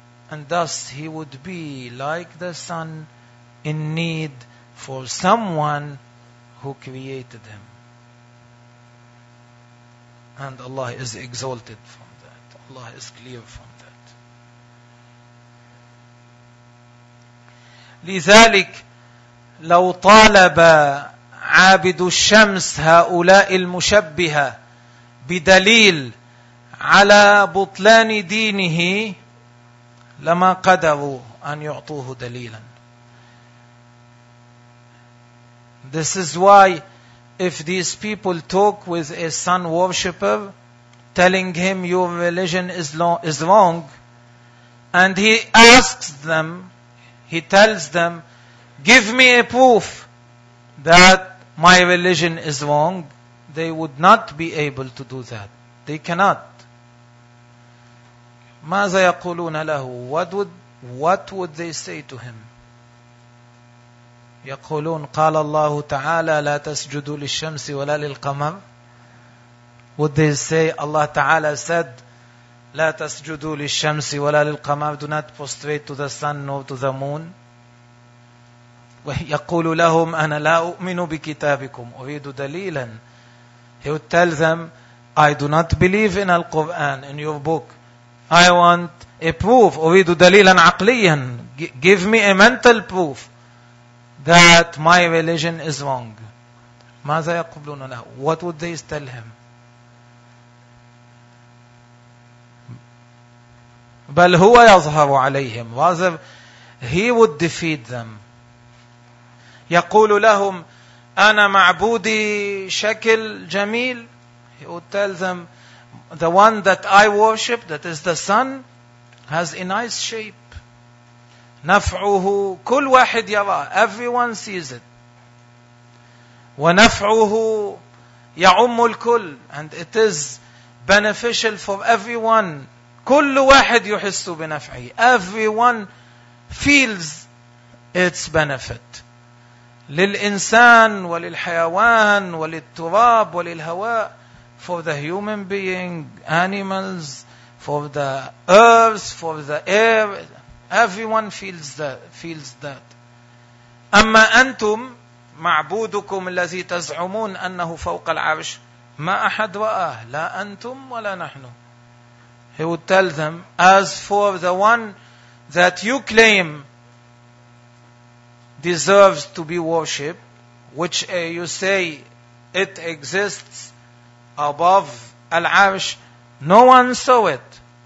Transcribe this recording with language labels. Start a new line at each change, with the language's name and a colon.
English: And thus He would be like the sun in need for someone who created Him. And Allah is exalted from that. Allah is clear from that.
Arabic: لذلك لو طالب عابد الشمس هؤلاء المشبهة بدليل على بطلان دينه لما قدروا أن يعطوه دليلا.
English: This is why if these people talk with a sun worshipper telling him your religion is wrong, and he asks them, he tells them, give me a proof that my religion is wrong, they would not be able to do that. They cannot.
Arabic: ماذا يقولون له?
English: What would they say to him?
Arabic: يقولون قال الله تعالى لا تسجدوا للشمس ولا للقمر.
English: Would they say Allah Ta'ala said
Arabic: لا تسجدوا للشمس ولا للقمر,
English: do not prostrate to the sun nor to the moon?
Arabic: ويقول لهم أنا لا أؤمن بكتابكم, أريد دليلا.
English: He would tell them, I do not believe in Al-Quran, in your book. I want a proof,
Arabic: أريد دليلا عقليا.
English: Give me a mental proof that my religion is wrong.
Arabic: ماذا يقولون له?
English: What would they tell him?
Arabic: بل هو يظهر عليهم.
English: Rather, he would defeat them.
Arabic: يقول لهم أنا معبودي شكل جميل.
English: He would tell them, the one that I worship, that is the sun, has a nice shape.
Arabic: نفعه كل واحد يرى.
English: Everyone sees it.
Arabic: ونفعه يعم الكل.
English: And it is beneficial for everyone.
Arabic: كل واحد يحس بنفعه.
English: Everyone feels its benefit.
Arabic: للإنسان وللحيوان وللتراب وللهواء.
English: For the human being, animals, for the earth, for the air. Everyone feels that.
Arabic: أما أنتم معبودكم الذي تزعمون أنه فوق العرش ما أحد رآه, لا أنتم ولا نحن.
English: He would tell them, as for the one that you claim deserves to be worshipped, which you say it exists, above Al-Arsh. No one saw it.